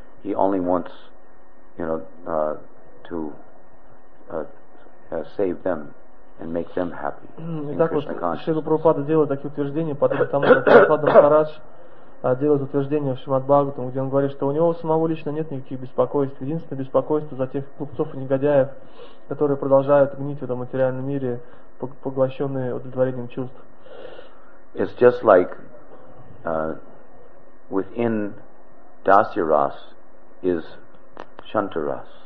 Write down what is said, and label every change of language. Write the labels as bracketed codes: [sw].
[en] He only wants, you know, to save them and make them happy. [ru] Итак, вот Шрила Прабхупада делает такие утверждения, потом там Прабхупада Махарадж делает утверждение в Шримад Бхагаватам, где он говорит, что у него самого лично нет никаких беспокойств. Единственное беспокойство за тех глупцов и негодяев, которые продолжают гнить в этом материальном мире, поглощенные удовлетворением чувств. [en] It's just like within Dasya Ras is Shanta Ras.